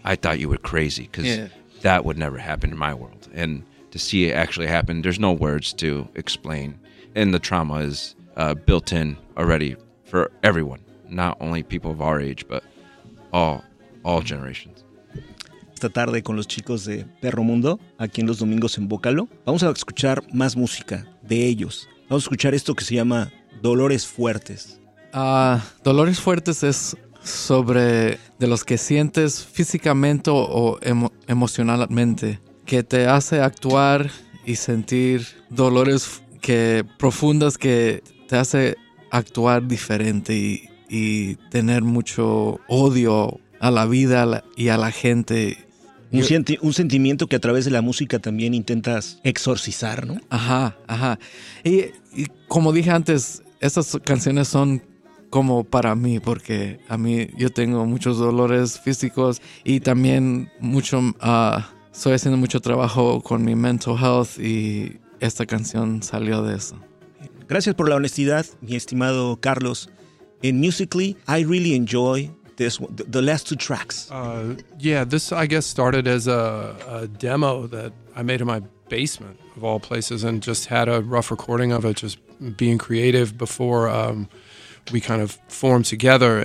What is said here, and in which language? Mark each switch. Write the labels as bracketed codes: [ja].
[en] I thought you were crazy because that would never happen in my world. And to see it actually happen, there's no words to explain. And the trauma is built in already for everyone, not only people of our age, but all generations. [es] Esta tarde con los chicos de Perro Mundo, aquí en los domingos en Bócalo, vamos a escuchar más música de ellos. Vamos a escuchar esto que se llama Dolores Fuertes. Dolores Fuertes es sobre de los que sientes físicamente o emocionalmente, que te hace actuar y sentir dolores profundas que te hace actuar diferente y tener mucho odio a la vida y a la gente. Un sentimiento que a través de la música también intentas exorcizar, ¿no? Ajá, ajá. Y como dije antes, estas canciones son como para mí, porque a mí yo tengo muchos dolores físicos y también mucho, estoy haciendo mucho trabajo con mi [en] mental health [es] y esta canción salió de eso. Gracias por la honestidad, mi estimado Carlos. En [en] Musical.ly, I really enjoy this, the last two tracks. This I guess started as a demo that I made in my basement of all places and just had a rough recording of it, just being creative before we kind of formed together.